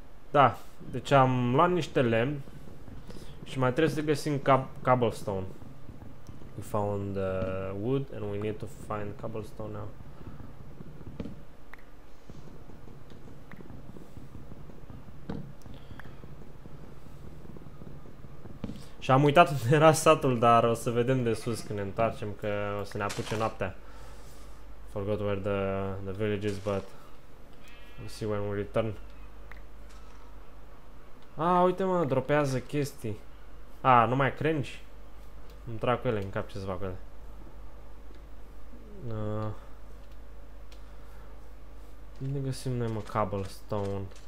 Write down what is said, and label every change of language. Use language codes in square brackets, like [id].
[ro] Da, deci am luat niște lemn și mai trebuie să găsim cobblestone. [en] We found the wood and we need to find cobblestone now. [ro] Și am uitat unde era satul, dar o să vedem de sus când ne întoarcem, că o să ne apuce noaptea. [en] Forgot where the village is, but we'll see when we return. [ro] Ah, uite, mă, dropează chestii. Ah, nu mai cringe? Îmi trag cu ele în cap, ce să fac cu ele. Unde găsim noi, mă, cobblestone?